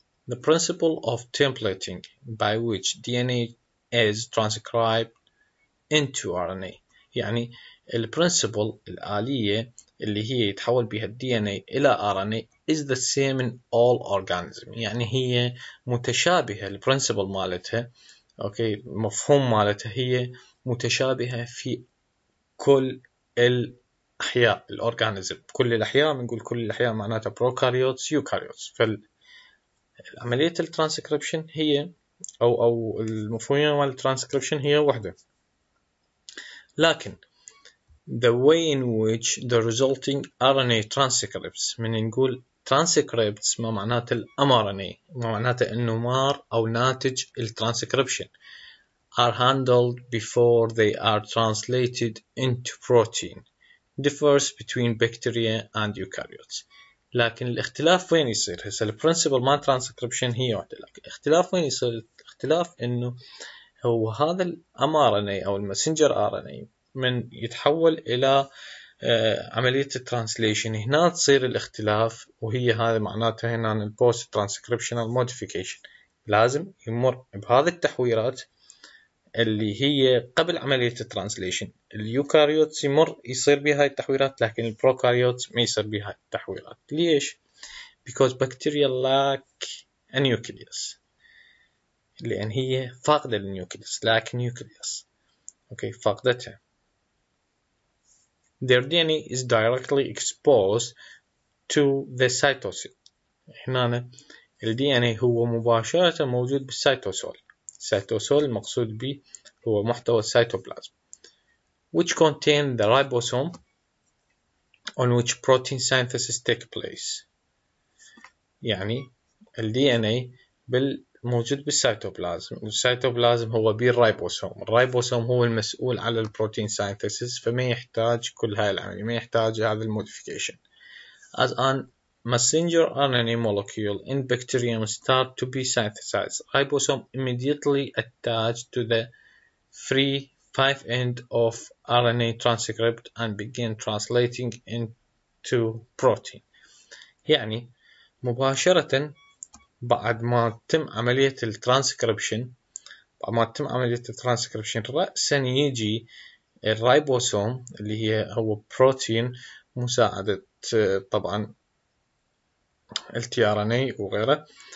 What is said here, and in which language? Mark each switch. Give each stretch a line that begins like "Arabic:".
English: The principle of templating by which DNA is transcribed into RNA.
Arabic: يعني ال principle، الآلية اللي هي يتحول بها ال DNA إلى RNA،
English: is the same in all organisms.
Arabic: يعني هي متشابهة، ال principle مالتها، اوكي، مفهوم مالتها هي متشابهة في كل ال احياء الاورجانيزم. كل الاحياء، بنقول كل الاحياء معناتها بروكاريوتس يوكاريوتس. فعملية الترانسكريبشن هي او المفهومية مال الترانسكريبشن هي وحده، لكن
English: the way in which the resulting RNA transcripts،
Arabic: من نقول transcripts ما معناته الامRNA، ما معناته انه مار او ناتج الترانسكريبشن،
English: are handled before they are translated into protein differs between bacteria and eukaryotes.
Arabic: لكن الاختلاف وين يصير؟ هسه ال principle مال transcription هي واحدة، لكن الاختلاف وين يصير؟ الاختلاف انه هو هذا ال mRNA او المسنجر RNA من يتحول الى عملية ال translation، هنا تصير الاختلاف، وهي هذا معناتها هنا ال post transcriptional modification. لازم يمر بهذه التحويرات اللي هي قبل عملية الترانسليشن. اليوكاريوت يمر يصير بها التحويلات، لكن البروكاريوت ما يصير بها التحويلات. ليش؟
English: because bacteria lack a nucleus،
Arabic: لأن هي فاقدة النيوكليوس،
English: lack nucleus،
Arabic: أوكي، فاقدتها.
English: their DNA is directly exposed to the cytosol.
Arabic: هنا ال DNA هو مباشرة موجود بالسيتوسول. السيتوسول المقصود به هو محتوى السيتوبلازم،
English: which contain the ribosome on which protein synthesis take place.
Arabic: يعني ال DNA موجود بالسيتوبلازم، والسيتوبلازم هو به الرايبوسوم، الرايبوسوم هو المسؤول على البروتين synthesis، فما يحتاج كل هاي العملية، ما يحتاج هذا الموديفيكيشن.
English: As an messenger RNA molecule in bacterium start to be synthesized, ribosome immediately attach to the free 5 end of RNA transcript and begin translating into protein.
Arabic: يعني مباشرة بعد ما تم عملية الترانسكريبشن، بعد ما تتم عملية الترانسكريبشن رأساً يجي الرايبوسوم اللي هي هو بروتين مساعدة طبعاً التيارني وغيره.